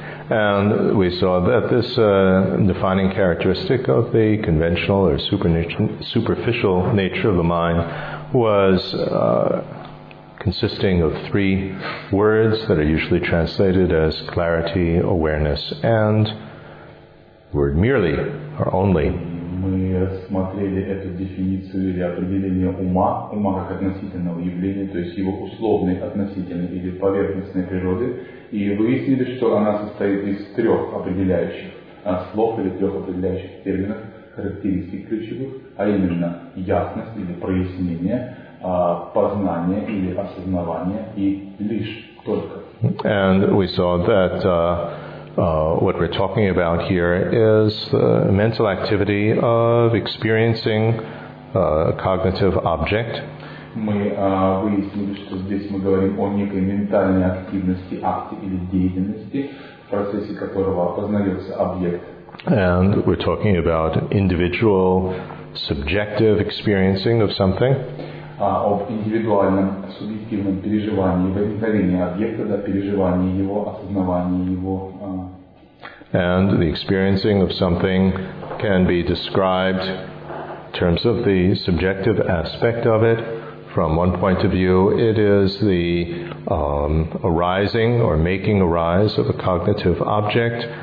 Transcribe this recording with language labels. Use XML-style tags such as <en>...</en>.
<en>And we saw that this defining characteristic of the conventional or superficial nature of the mind was consisting of three words that are usually translated as clarity, awareness, and word merely or only.</en> <ru>Мы рассмотрели эту дефиницию или определение ума, ума как относительного явления, то есть его условной, относительной или поверхностной природы, и выяснили, что она состоит из трех определяющих слов или трех определяющих терминов, характеристик ключевых, а именно ясность или прояснение, познание или осознавание и лишь только.</ru> <en>And we saw that what we're talking about here is the mental activity of experiencing a cognitive object.</en> <ru>Мы выяснили, что здесь мы говорим о некой ментальной активности, акте или деятельности, в процессе которого познается объект.</ru> <en>And we're talking about individual subjective experiencing of something.</en> <ru>Об индивидуальном субъективном переживании, возникновении объекта, да, переживании его, осознавании его.</ru> <en>And the experiencing of something can be described in terms of the subjective aspect of it. From one point of view, it is the arising or making arise of a cognitive object.</en>